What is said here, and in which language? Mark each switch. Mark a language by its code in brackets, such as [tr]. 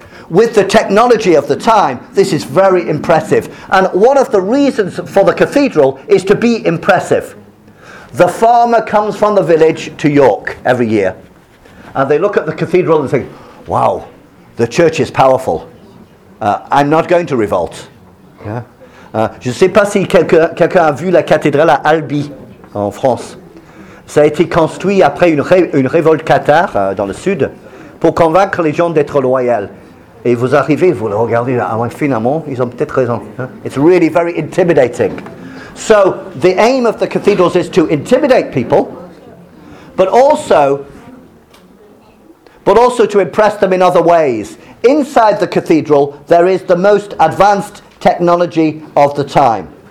[en] With the technology of the time, this is very impressive. And one of the reasons for the cathedral is to be impressive. The farmer comes from the village to York every year. And they look at the cathedral and think, wow, the church is powerful. I'm not going to revolt. Yeah. [fr] Je ne sais pas si quelqu'un a vu la cathédrale à Albi, en France. Ça a été construit après une révolte cathare dans le sud pour convaincre les gens d'être loyaux. Et vous arrivez, vous le regardez, finalement, ils ont peut-être raison. [en] It's really very intimidating. So, the aim of the cathedrals is to intimidate people, but also to impress them in other ways. Inside the cathedral, there is the most advanced technology of the time.